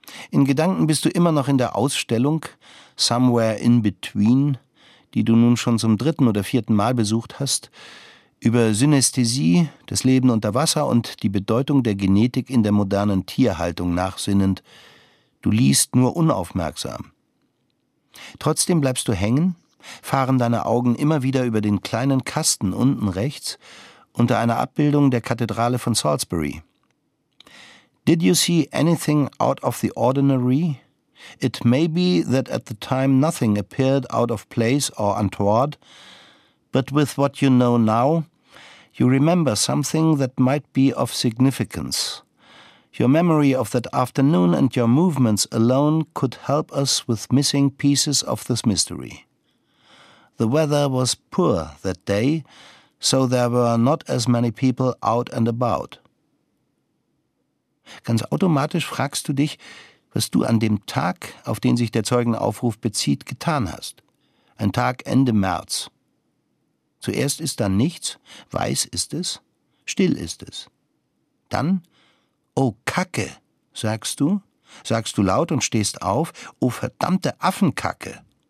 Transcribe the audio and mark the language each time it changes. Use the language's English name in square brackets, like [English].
[German] In Gedanken bist du immer noch in der Ausstellung »Somewhere in Between«, die du nun schon zum dritten oder vierten Mal besucht hast, über Synästhesie, das Leben unter Wasser und die Bedeutung der Genetik in der modernen Tierhaltung nachsinnend. Du liest nur unaufmerksam. Trotzdem bleibst du hängen, fahren deine Augen immer wieder über den kleinen Kasten unten rechts unter einer Abbildung der Kathedrale von Salisbury. [English] Did you see anything out of the ordinary? It may be that at the time nothing appeared out of place or untoward, but with what you know now, you remember something that might be of significance. Your memory of that afternoon and your movements alone could help us with missing pieces of this mystery. The weather was poor that day, so there were not as many people out and about. [German] Ganz automatisch fragst du dich, was du an dem Tag, auf den sich der Zeugenaufruf bezieht, getan hast. Ein Tag Ende März. Zuerst ist da nichts, weiß ist es, still ist es. Dann, oh Kacke, sagst du laut und stehst auf, oh verdammte Affenkacke.